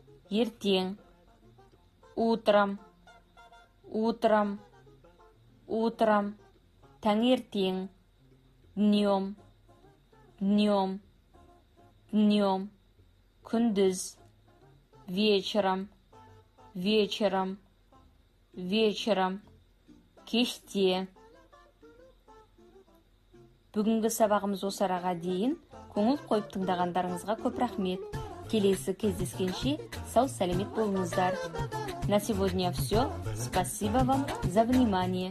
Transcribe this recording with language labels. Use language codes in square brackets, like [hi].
[ru] ертең, утром, утром, утром, таңертең, днем, днем, днем, күндіз, вечером, вечером, вечером, кеште. [kk] Бүгінгі сабағымыз осы араға дейін. Көңіл қойып тыңдағандарыңызға көп рахмет. Келесі кездескенше сау сәлемет болыңыздар. [ru] На сегодня все. Спасибо вам за внимание.